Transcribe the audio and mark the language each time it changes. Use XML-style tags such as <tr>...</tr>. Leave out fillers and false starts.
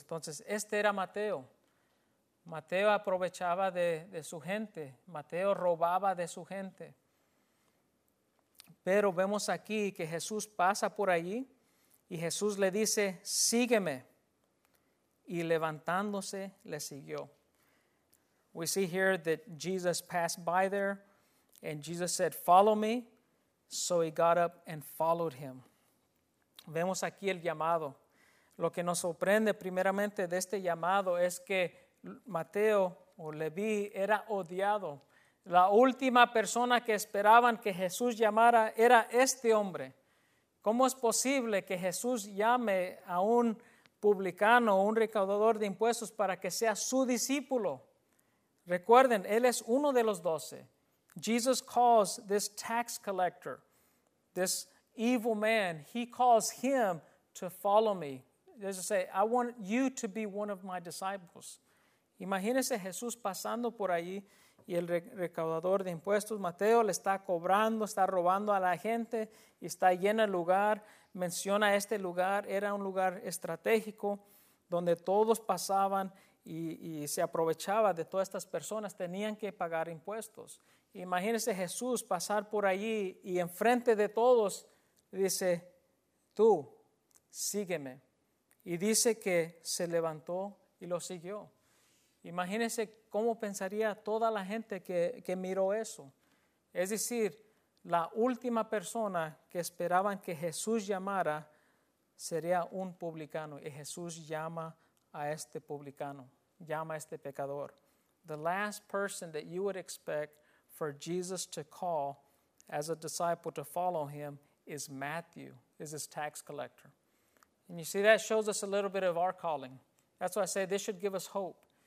<es>Entonces, este era Mateo. Mateo aprovechaba de su gente. Mateo robaba de su gente. Pero vemos aquí que Jesús pasa por allí y Jesús le dice, sígueme. Y levantándose, le siguió.</es> <en>We see here that Jesus passed by there and Jesus said, follow me. So he got up and followed him.</en> <es>Vemos aquí el llamado. Lo que nos sorprende primeramente de este llamado es que Mateo o Leví era odiado. La última persona que esperaban que Jesús llamara era este hombre. ¿Cómo es posible que Jesús llame a un publicano, un recaudador de impuestos para que sea su discípulo? Recuerden, él es uno de los doce.</es> <en>Jesus calls this tax collector, this evil man, he calls him to follow me. Just say, I want you to be one of my disciples.</en> <es>Imagínense Jesús pasando por allí y el recaudador de impuestos, Mateo, le está cobrando, está robando a la gente y está lleno el lugar. Menciona este lugar, era un lugar estratégico donde todos pasaban y se aprovechaba de todas estas personas, tenían que pagar impuestos. Imagínense Jesús pasar por allí y enfrente de todos dice, tú, sígueme. Y dice que se levantó y lo siguió. Imagínense cómo pensaría toda la gente que miró eso. Es decir, la última persona que esperaban que Jesús llamara sería un publicano. Y Jesús llama a este publicano, llama a este pecador.</es> <en>The last person that you would expect for Jesus to call as a disciple to follow him is Matthew, is his tax collector. And you see, that shows us a little bit of our calling. That's why I say this should give us hope.</en>